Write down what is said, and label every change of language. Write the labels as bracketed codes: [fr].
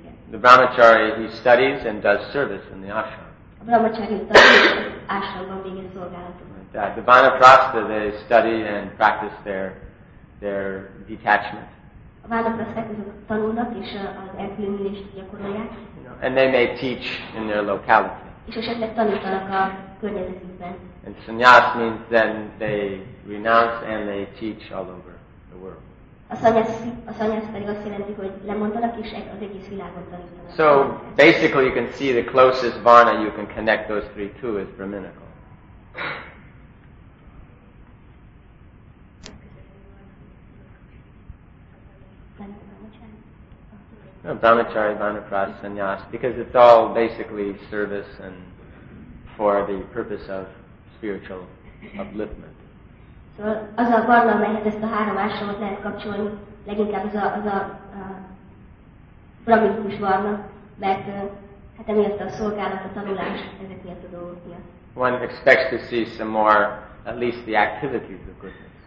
[en] The brahmachari, he studies and does service in the ashram. [hu] A brahmachari ashramban végez szolgálatot. [en] The vanaprastha, they study and practice their detachment. [hu] A vanaprasthák tanulnak és az elkülönülést gyakorolják. [en] And they may teach in their locality. [hu] És esetleg tanítanak a környezetükben. [en] And sannyas means then they renounce and they teach all over the world. [hu] A sanyas pedig azt jelenti, hogy lemondanak és az egész világon tanítanak. [en] So basically you can see the closest varna you can connect those three to is brahminical. No, brahmachari, vanaprastha, sannyas, because it's all basically service and for the purpose of spiritual upliftment. [hu] So, az a varna, amelyhez ezt a három ásramot lehet kapcsolni, leginkább az a brahminikus varna, mert hát emiatt a szolgálat, a tanulás, ezek miatt a dolgok miatt. [en] One expects to see some more, at least the activities of goodness.